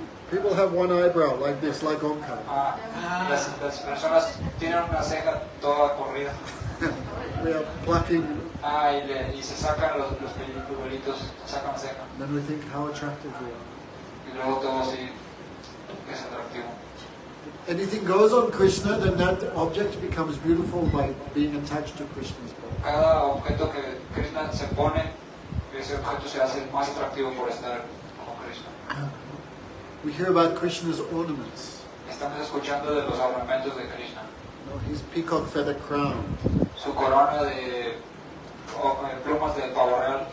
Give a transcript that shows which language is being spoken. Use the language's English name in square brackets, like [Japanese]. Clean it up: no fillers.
[English] People have one eyebrow like this, like Omkar. [Spanish] Las personas tienen una ceja toda corrida. [English] They are plucking. [Spanish] Y se sacan los pelitos, sacan ceja. [English] Then we think how attractive we are. [Spanish] Y luego todos es atractivo. [English] Anything goes on Krishna, then that object becomes beautiful by being attached to Krishna's body. [Spanish] Cada objeto que Krishna se pone, ese objeto se hace más atractivo por estar con Krishna. [English] We hear about Krishna's ornaments. [Spanish] Estamos escuchando de los ornamentos de Krishna. [English] No, his peacock feather crown. [Spanish] Su corona de plumas de pavo real.